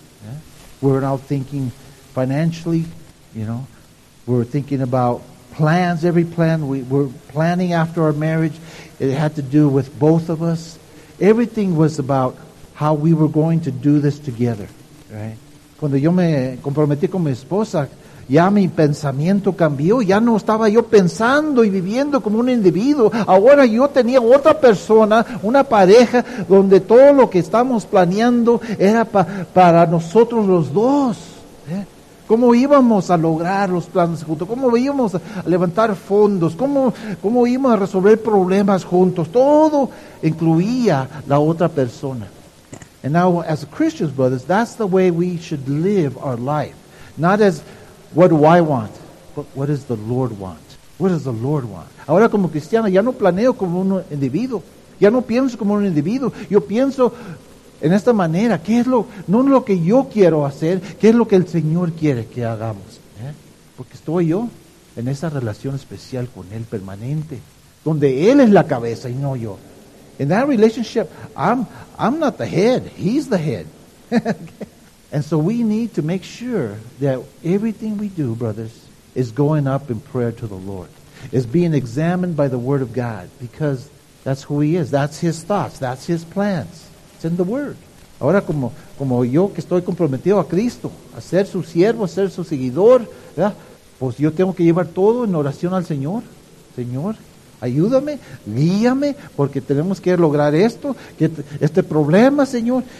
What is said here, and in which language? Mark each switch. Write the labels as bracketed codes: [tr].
[en] Yeah? We were now thinking financially, you know. We were thinking about plans, every plan. We were planning after our marriage. It had to do with both of us. Everything was about how we were going to do this together. Right? [es] Cuando yo me comprometí con mi esposa, ya mi pensamiento cambió. Ya no estaba yo pensando y viviendo como un individuo. Ahora yo tenía otra persona, una pareja, donde todo lo que estábamos planeando era para nosotros los dos. ¿Cómo íbamos a lograr los planes juntos? ¿Cómo íbamos a levantar fondos? ¿Cómo íbamos a resolver problemas juntos? Todo incluía la otra persona. [en] And now, as Christians, brothers, that's the way we should live our life. Not as, what do I want? But what does the Lord want? What does the Lord want? [es] Ahora, como cristiano, ya no planeo como un individuo. Ya no pienso como un individuo. Yo pienso... En esta manera, ¿qué es no lo que yo quiero hacer, qué es lo que el Señor quiere que hagamos? ¿Eh? Porque estoy yo en esa relación especial con Él permanente, donde Él es la cabeza y no yo. [en] In that relationship, I'm not the head, He's the head. And so we need to make sure that everything we do, brothers, is going up in prayer to the Lord, is being examined by the Word of God, because that's who He is, that's His thoughts, that's His plans. In the Word. [es] Ahora como yo que estoy comprometido a Cristo, a ser su siervo, a ser su seguidor, ¿verdad? Pues yo tengo que llevar todo en oración al Señor. Señor, ayúdame, guíame, porque tenemos que lograr esto, que este problema, Señor.